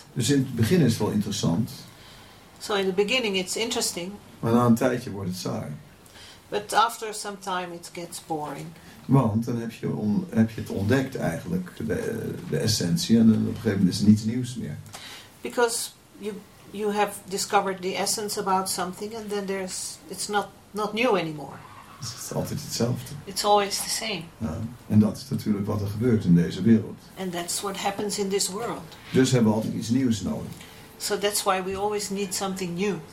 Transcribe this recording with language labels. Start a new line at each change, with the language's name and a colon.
Dutch: Dus in het begin is het wel interessant.
English: So in the beginning it's interesting.
Dutch: Maar na een tijdje wordt het saai.
English: But after some time it gets boring.
Dutch: Want dan heb je het ontdekt eigenlijk, de essentie, en op een gegeven moment is er niets nieuws meer.
English: Because you have discovered the essence about something and then it's not new anymore.
Dutch: Het is altijd hetzelfde.
English: It's always the same.
Dutch: Ja, en dat is natuurlijk wat er gebeurt in deze wereld.
English: And that's what happens in this world.
Dutch: Dus hebben we altijd iets nieuws nodig.
English: So that's why we always need something new.